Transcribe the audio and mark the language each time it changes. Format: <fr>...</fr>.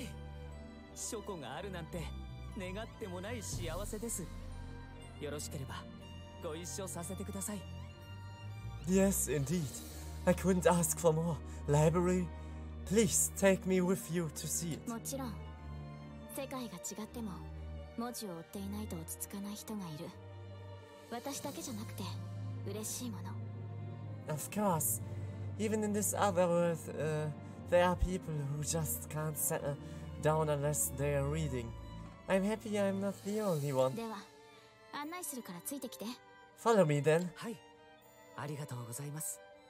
<en>If you like, please join us together. Yes, indeed. I couldn't ask for more. Library, please take me with you to see it. Of course.</en> <ja>世界が違っても文字を追っていないと落ち着かない人がいる。私だけじゃなくて嬉しいもの。</ja> <en>Of course, even in this other world, there are people who just can't settle down unless they are reading. I'm happy I'm not the only one.</en> <ja>では、案内するからついてきて。</ja> <en>Follow me then.</en> <ja>はい、ありがとうございます。</ja>